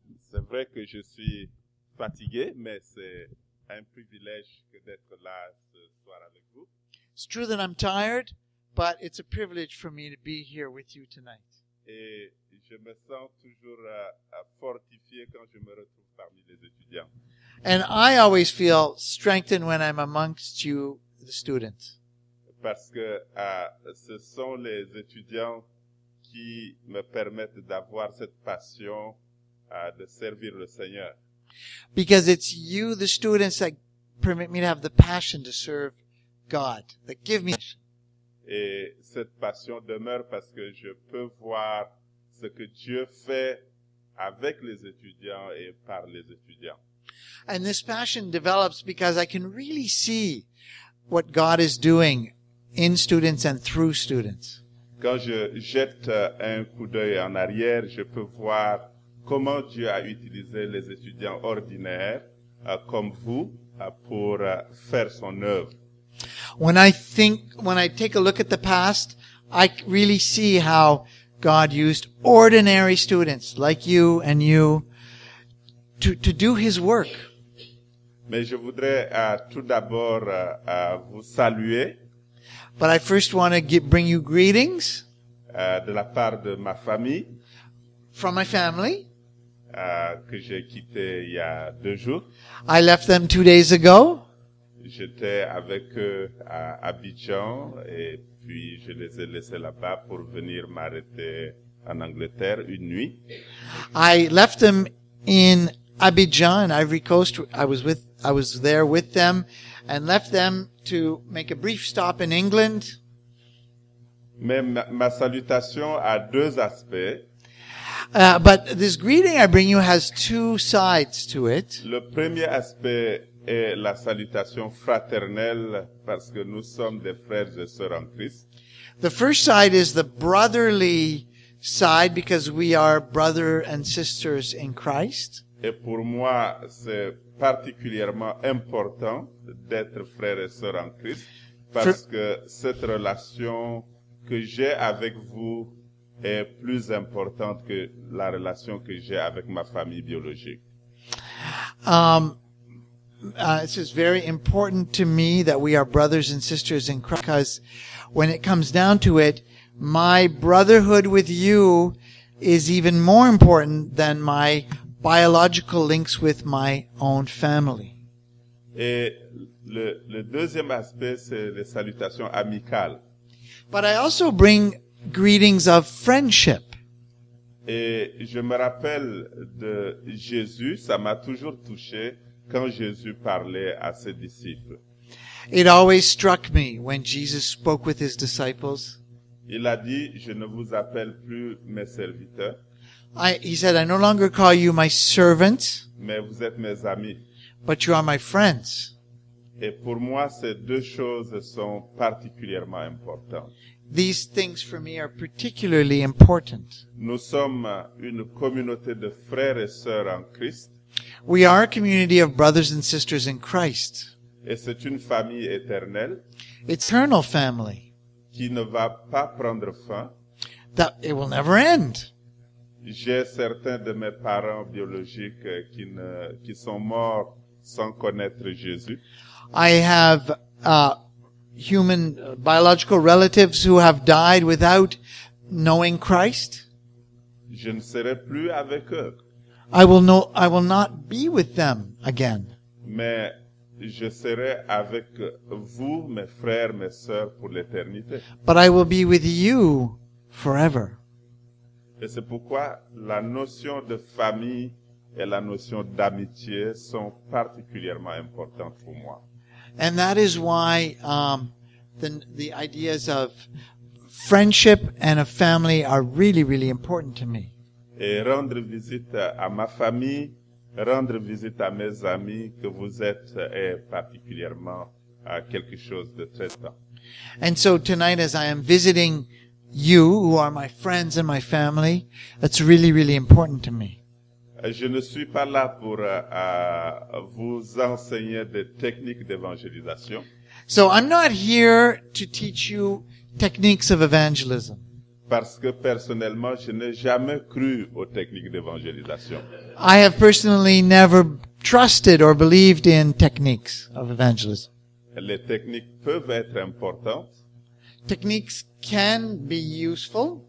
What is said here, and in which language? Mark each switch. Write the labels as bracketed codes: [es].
[fr] C'est vrai que je suis fatigué, mais c'est un privilège que d'être là ce soir avec vous. [en] It's true that I'm tired, but it's a privilege for me to be here with you tonight. [fr] Et je me sens toujours fortifié quand je me retrouve parmi les étudiants. [en] And I always feel strengthened when I'm amongst you, the students. [fr] Parce que ce sont les étudiants qui me permettent d'avoir cette passion de servir le Seigneur. [en] Because it's you, the students, that permit me to have the passion to serve God, that give me passion. [fr] Et cette passion demeure parce que je peux voir ce que Dieu fait avec les étudiants et par les étudiants. [en] And this passion develops because I can really see what God is doing in students and through students. [fr] quand je jette un coup d'œil en arrière, je peux voir comment Dieu a utilisé les étudiants ordinaires comme vous pour faire son œuvre. [en] When I take a look at the past, I really see how God used ordinary students like you and you to do his work. [fr] Mais je voudrais tout d'abord vous saluer. [en] But I first want to bring you greetings. [fr] De la part de ma famille. [en] From my family. [fr] Que j'ai quitté il y a deux jours. [en] I left them 2 days ago. [fr] J'étais avec eux à Abidjan et puis je les ai laissés là-bas pour venir m'arrêter en Angleterre une nuit. [en] I left them in Abidjan, in Ivory Coast. I was there with them and left them to make a brief stop in England. [fr] Mais ma salutation a deux aspects. [en] But this greeting I bring you has two sides to it. [fr] Le premier aspect est la salutation fraternelle parce que nous sommes des frères et sœurs en Christ. [en] The first side is the brotherly side because we are brother and sisters in Christ. [fr] Et pour moi, c'est particulièrement important d'être frère et sœur en Christ parce que cette relation que j'ai avec vous est plus importante que la relation que j'ai avec ma famille biologique. [en] This is very important to me that we are brothers and sisters in Christ because when it comes down to it, my brotherhood with you is even more important than my biological links with my own family. [fr] Et le deuxième aspect, c'est les salutations amicales. [en] But I also bring greetings of friendship. [fr] Et je me rappelle de Jésus, ça m'a toujours touché quand Jésus parlait à ses disciples. [en] It always struck me when Jesus spoke with his disciples. [fr] Il a dit, je ne vous appelle plus mes serviteurs. [en] He said, I no longer call you my servant, [fr] mais vous êtes mes amis. [en] But you are my friends. [fr] Et pour moi, ces deux choses sont particulièrement importantes. [en] These things for me are particularly important. [fr] Nous sommes une communauté de frères et sœurs en Christ. [en] We are a community of brothers and sisters in Christ. [fr] Et c'est une famille éternelle. [en] Eternal family. [fr] Qui ne va pas prendre fin. [en] That it will never end. [fr] J'ai certains de mes parents biologiques qui sont morts sans connaître Jésus. [en] I have human biological relatives who have died without knowing Christ. [fr] Je ne serai plus avec eux. [en] I will not be with them again. [fr] Mais je serai avec vous, mes frères, mes sœurs, pour l'éternité. [en] But I will be with you forever. [fr] Et c'est pourquoi la notion de famille et la notion d'amitié sont particulièrement importantes pour moi. [en] And that is why the ideas of friendship and of family are really, really important to me. [fr] Et rendre visite à ma famille, rendre visite à mes amis que vous êtes est particulièrement quelque chose de très important. [en] And so tonight as I am visiting you, who are my friends and my family, that's really, really important to me. [fr] Je ne suis pas là pour vous enseigner des techniques d'évangélisation. [en] So I'm not here to teach you techniques of evangelism. [fr] Parce que personnellement, je n'ai jamais cru aux techniques d'évangélisation. [en] I have personally never trusted or believed in techniques of evangelism. [fr] Les techniques peuvent être importantes. [en] Techniques can be useful.